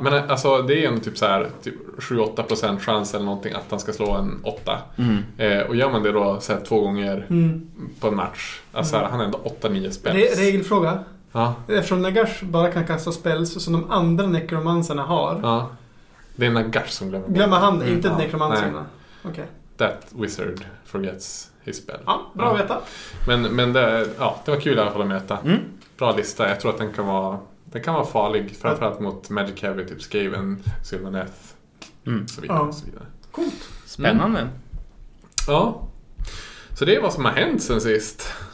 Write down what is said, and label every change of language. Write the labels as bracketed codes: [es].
[sv] Men alltså det är en typ såhär typ 7-8% chans eller någonting att han ska slå en 8. Mm. Och gör man det då såhär 2 gånger på en match. Alltså han har ändå 8-9 spells. Regelfråga. Ja. Eftersom Nagash bara kan kasta spells som de andra nekromanserna har. Ja. Det är Nagash som glömmer. Glömmer han, inte nekromanserna. Okay. [en] That wizard forgets his spell. [sv] Ja, bra att veta. Men det var kul att hålla med att bra lista. Jag tror att den kan vara farlig. Framförallt mot Magic Heavy, typ Skaven, Sylvaneth, så vidare. Coolt. Spännande. Ja. Så det är vad som har hänt sen sist.